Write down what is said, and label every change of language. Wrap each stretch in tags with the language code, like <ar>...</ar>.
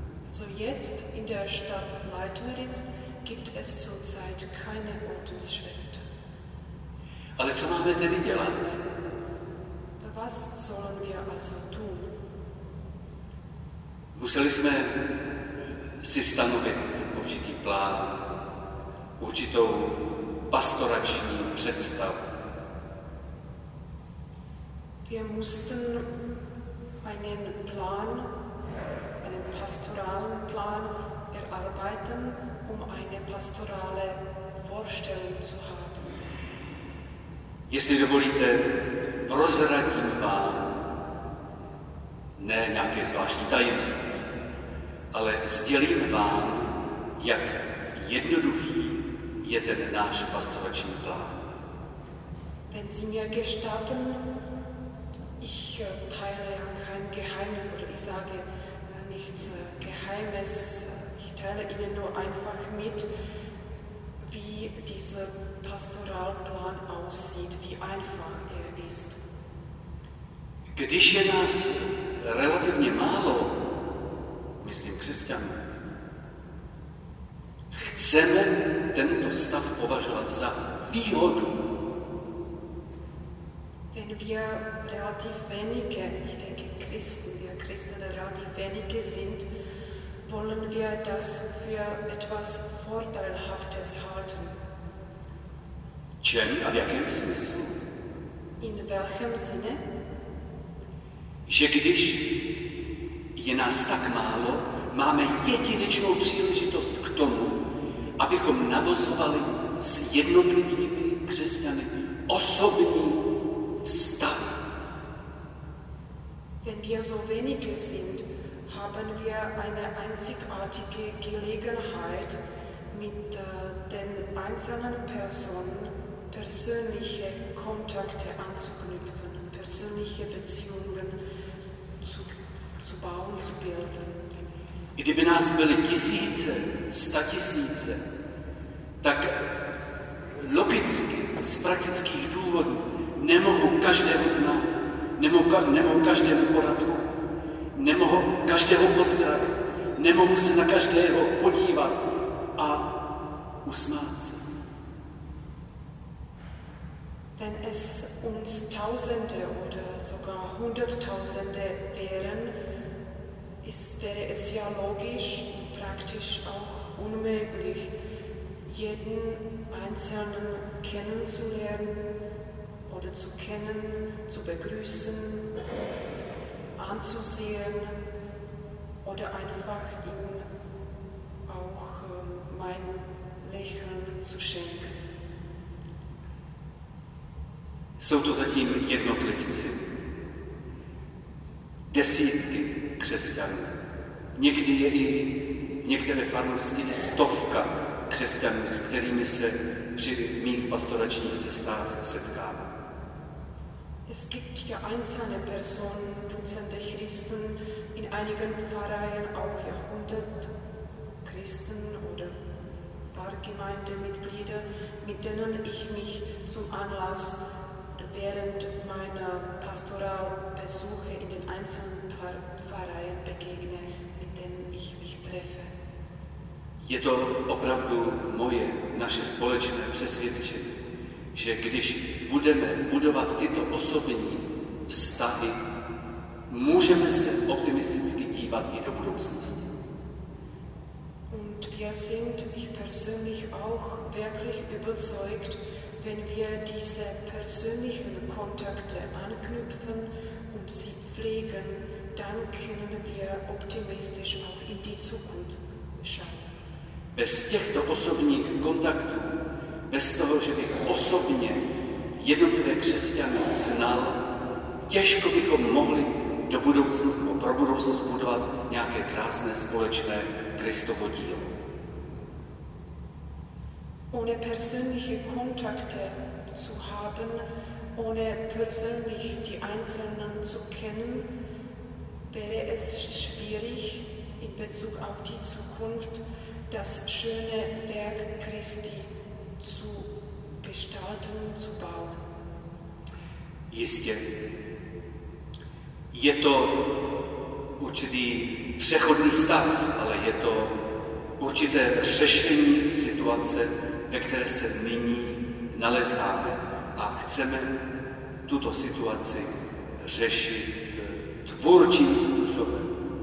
<de>So jetzt in der Stadt Litoměřic gibt es zurzeit keine Ordensschwester.</de> <cs>Ale co máme tedy dělat?</cs> <de>Was sollen wir also tun?</de> <cs>Museli jsme si stanovit určitý plán, určitou pastorační představu.</cs> <de>Wir mussten einen Plan, einen pastoralen Plan erarbeiten, um eine pastorale Vorstellung zu haben.</de> <cs>Jestli dovolíte, prozradím vám ne nějaké zvláštní tajemství, ale sdělím vám, jak jednoduchý je ten náš pastorační plán.</cs> <de>Wenn Sie mir gestatten, ich teile kein Geheimnis oder ich sage nichts Geheimes. Ich teile Ihnen nur einfach mit, wie dieser Pastoralplan aussieht, wie einfach er ist.</de> <cs>Když je nás relativně málo, myslím křesťanů, chceme tento stav považovat za výhodu.</cs> <de>Wenn wir relativ wenige, ich denke Christen, wir Christen relativ wenige sind, wollen wir das für etwas Vorteilhaftes halten.</de> <cs>Čem a v jakém smyslu?</cs> <de>In welchem Sinne?</de> <cs>Že když je nás tak málo, máme jedinečnou příležitost k tomu, abychom navozovali s jednotlivými křesťany osobní vztah.</cs> <de>Wenn wir so wenige sind, haben wir eine einzigartige Gelegenheit, mit den einzelnen Personen persönliche Kontakte anzuknüpfen, persönliche Beziehungen zu bauen, zu bilden.</de> <cs>Kdyby nás byly tisíce, statisíce, tak logicky, z praktických důvodů, nemohu každého znát, nemohu každému podat ruku, nemohu každého pozdravit, nemohu se na každého podívat a usmát se.</cs> <de>Wenn es uns tausende oder sogar hunderttausende wären, wäre es ja logisch, praktisch auch unmöglich, jeden Einzelnen kennenzulernen oder zu kennen, zu begrüßen, anzusehen oder einfach ihm auch mein Lächeln zu schenken.</de> <cs>Jsou to zatím jednotlivci, desítky křesťanů. Někdy je i v některé farnosti i stovka křesťanů, s kterými se při mých pastoračních cestách setkám.</cs> <de>Es gibt ja einzelne Personen, Dutzende Christen, in einigen Pfarreien auch Jahrhundert Christen oder Pfarrgemeindemitglieder, mit denen ich mich zum Anlass während meiner Pastoralbesuche in den einzelnen Pfarreien begegne, mit denen ich mich treffe.</de> <cs>Je to opravdu moje, naše společné přesvědčení, že když budeme budovat tyto osobní vztahy, můžeme se optimisticky dívat i do budoucnosti.</cs> <de>Und wir sind, ich persönlich auch wirklich überzeugt, wenn wir diese persönlichen Kontakte anknüpfen und sie pflegen, dann können wir optimistisch auch in die Zukunft schauen.</de> <cs>Bez těchto osobních kontaktů, bez toho, že bych osobně jednotlivé křesťany znal, těžko bychom mohli do budoucnosti nebo pro budoucnost budovat nějaké krásné společné Kristovo dílo.</cs> <de>Ohne persönliche Kontakte zu haben, ohne persönlich die Einzelnen zu kennen, wäre es schwierig in Bezug auf die Zukunft, das schöne Werk Christi zu gestalten, zu bauen.</de> <cs>Jistě. Je to určitý přechodný stav, ale je to určité řešení situace, ve které se nyní nalezáme a chceme tuto situaci řešit tvůrčím způsobem.</cs>